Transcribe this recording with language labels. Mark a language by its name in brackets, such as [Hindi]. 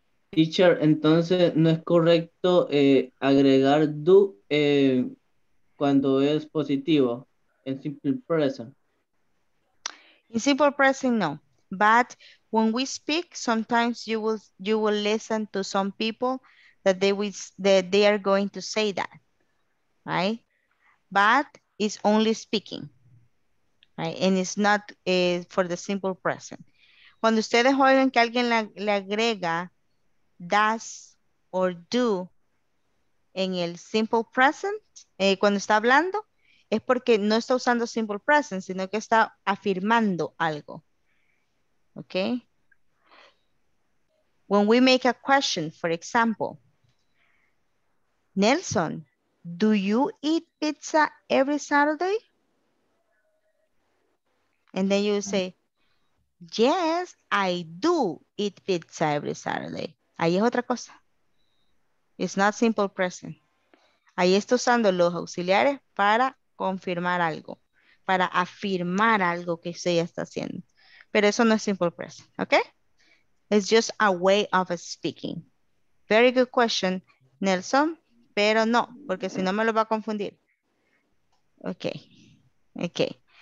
[Spanish] Teacher, entonces no es correcto agregar do cuando es positivo, en simple present. [English] In simple present, no. But when we speak, sometimes you will listen to some people that they are going to say that, right? But it's only speaking, right? And it's not for the simple present. [Spanish] Cuando ustedes oigan que alguien le agrega does or do en el simple present, cuando está hablando, es porque no está usando simple present, sino que está afirmando algo. [English] Okay? When we make a question, for example, Nelson, do you eat pizza every Saturday? And then you say, yes, I do eat pizza every Saturday. [Spanish] Ahí es otra cosa. [English] It's not simple present. [Spanish] Ahí está usando los auxiliares para confirmar algo, para afirmar algo que se ya está haciendo. Pero eso no es simple present, okay? [English] It's just a way of speaking. Very good question, [Spanish] Nelson. Pero no, porque si no me lo va a confundir. Okay. Okay.